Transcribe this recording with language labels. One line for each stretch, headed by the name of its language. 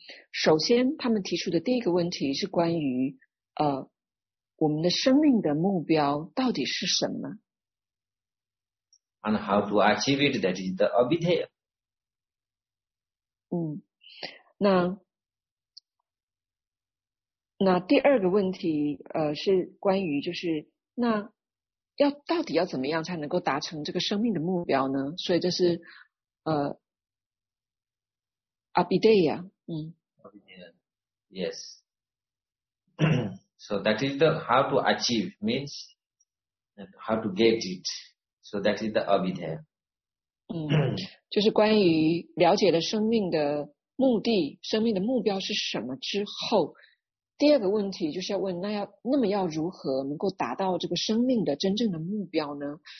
Chinese: 首先他们提出的第一个问题是关于我们的生命的目标到底是什么？
English: And how to achieve it, that is the abhidhaya.
Chinese: 那第二个问题是关于就是那要到底要怎么样才能够达成这个生命的目标呢？所以这是abhidhaya.
English: Yes. So that is the how to achieve means how to get it. So that is the abhidhaya.
Chinese: 就是关于了解了生命的目的，生命的目标是什么之后，第二个问题就是要问，那么要如何能够达到这个生命的真正的目标呢？